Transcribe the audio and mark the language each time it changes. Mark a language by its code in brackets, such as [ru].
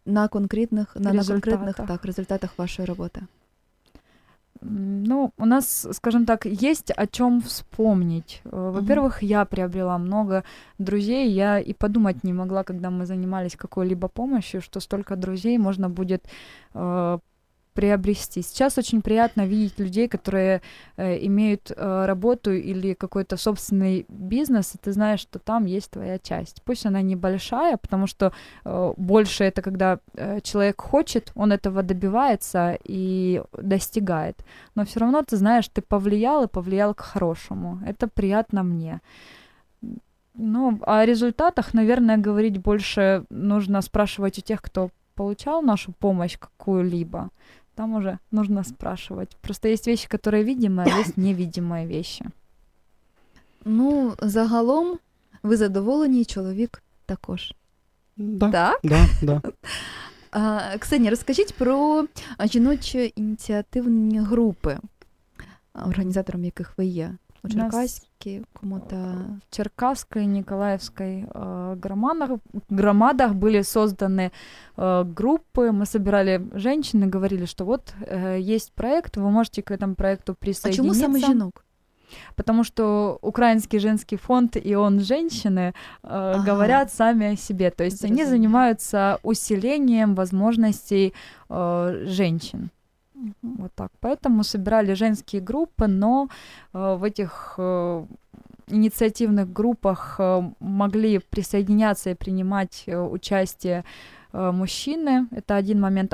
[uk] На конкретних результатах вашої роботи. [ru] Ну, у нас, скажем так, есть о чем вспомнить. Во-первых, я приобрела много друзей. Я и подумать не могла, когда мы занимались какой-либо помощью, что столько друзей можно будет приобрести. Сейчас очень приятно видеть людей, которые имеют работу или какой-то собственный бизнес, и ты знаешь, что там есть твоя часть. Пусть она небольшая, потому что больше это когда человек хочет, он этого добивается и достигает. Но все равно ты знаешь, ты повлиял и повлиял к хорошему. Это приятно мне. Ну, о результатах, наверное, говорить больше нужно спрашивать у тех, кто получал нашу помощь какую-либо. Там уже нужно спрашивать. Просто есть вещи, которые видимые, а есть невидимые вещи. [uk] Ну, загалом, ви задоволений чоловік також. [ru] Да. [uk] Так? [ru] Да, да. [uk] Ксенія, розкажіть про жіночі ініціативні групи, організатором яких ви є. У Черкаські, кому-то... В Черкаській, Ніколаївській громадах були створені групи. Ми збирали жінок і говорили, що от є проєкт, ви можете до цього проєкту присоединитися. А чому саме жінок? [ru] Потому что Украинский женский фонд и он женщины говорят сами о себе. То есть они занимаются усилением возможностей женщин. Вот так. Поэтому собирали женские группы, но в этих инициативных группах могли присоединяться и принимать участие мужчины. Это один момент.